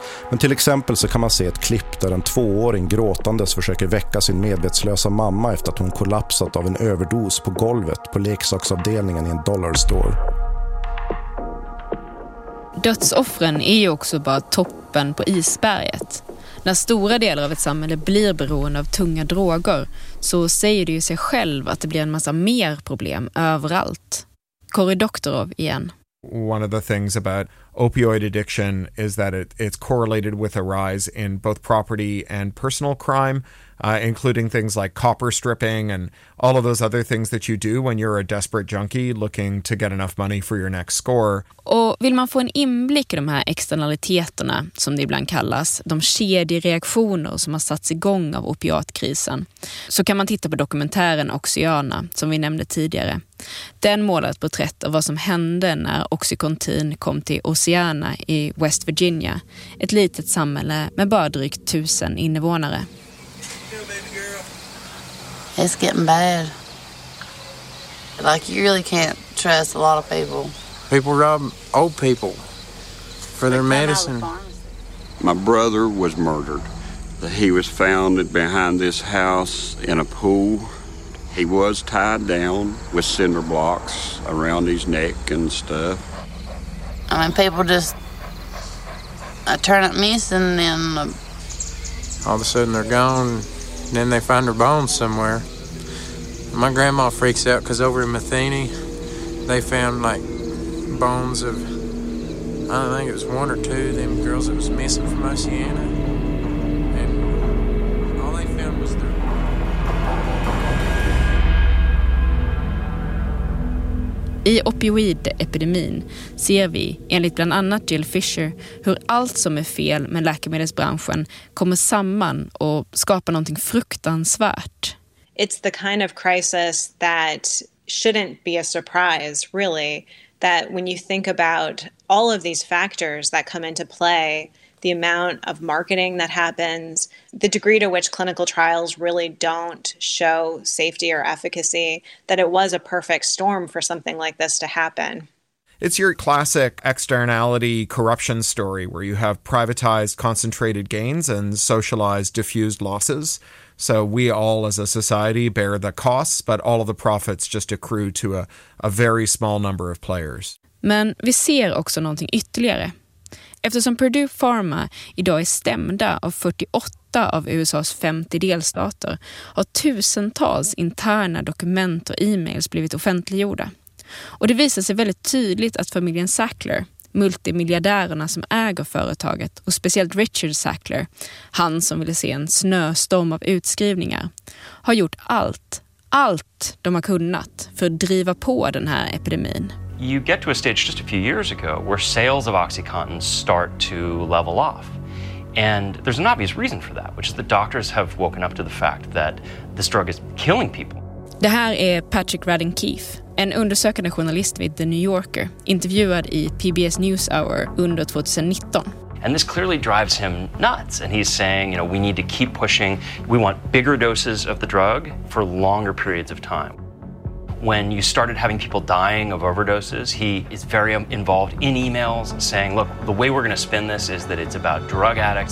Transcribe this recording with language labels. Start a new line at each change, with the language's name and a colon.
Swedish: Men till exempel så kan man se ett klipp där en 2-åring gråtandes försöker väcka sin medvetslösa mamma efter att hon kollapsat av en överdos på golvet på leksaksavdelningen i en dollar store. Dödsoffren är ju också bara toppen på isberget. När stora delar av ett samhälle blir beroende av tunga droger så säger det ju sig själv att det blir en massa mer problem överallt. Cory Doctorow igen.
English: One of the things about opioid addiction is that it's correlated with a rise in both property and personal crime, including things like copper stripping and all of those other things that you do when you're a desperate junkie looking to get enough money for your next score.
Swedish: Och vill man få en inblick i de här externaliteterna, som det ibland kallas, de kedjereaktioner som har satts igång av opiatkrisen, så kan man titta på dokumentären Oxyana, som vi nämnde tidigare. Den målar ett porträtt av vad som hände när Oxycontin kom till Oceana i West Virginia, ett litet samhälle med bara drygt 1,000 invånare.
English: It's getting bad. Like, you really can't trust a lot of people. People rob old people for their medicine. My brother was murdered. He was found behind this house in a pool. He was tied down with cinder blocks around his neck and stuff. I mean, people just turn up missing and all of a sudden they're gone and then they find their bones somewhere. My grandma freaks out because over in Matheny, they found like bones of, I don't think it was one or two of them girls that was missing from Oceana.
Swedish: I opioidepidemin ser vi, enligt bland annat Jill Fisher, hur allt som är fel med läkemedelsbranschen kommer samman och skapar någonting fruktansvärt.
English: It's the kind of crisis that shouldn't be a surprise, really, that when you think about all of these factors that come into play, the amount of marketing that happens, the degree to which clinical trials really don't show safety or efficacy, that it was a perfect storm for something like this to happen. It's your classic externality corruption story where you have privatized concentrated gains and socialized diffused losses. So we all as a society bear the costs, but all of the profits just accrue to a very small number of players.
Swedish: Men vi ser också någonting ytterligare. Eftersom Purdue Pharma idag är stämda av 48 av USAs 50 delstater har tusentals interna dokument och e-mails blivit offentliggjorda. Och det visar sig väldigt tydligt att familjen Sackler, multimiljardärerna som äger företaget och speciellt Richard Sackler, han som ville se en snöstorm av utskrivningar, har gjort allt de har kunnat för att driva på den här epidemin.
English: You get to a stage just a few years ago where sales of Oxycontin start to level off. And there's an obvious reason for that, which is that doctors have woken up to the fact that this drug is killing people.
Swedish: Det här är Patrick Radden Keefe, en undersökande journalist vid The New Yorker, intervjuad i PBS NewsHour under 2019.
English: And this clearly drives him nuts. And he's saying, you know, we need to keep pushing. We want bigger doses of the drug for longer periods of time. when you started having people dying of overdoses, he is very involved in emails saying, look, the way we're going to spin this is that it's about drug addicts.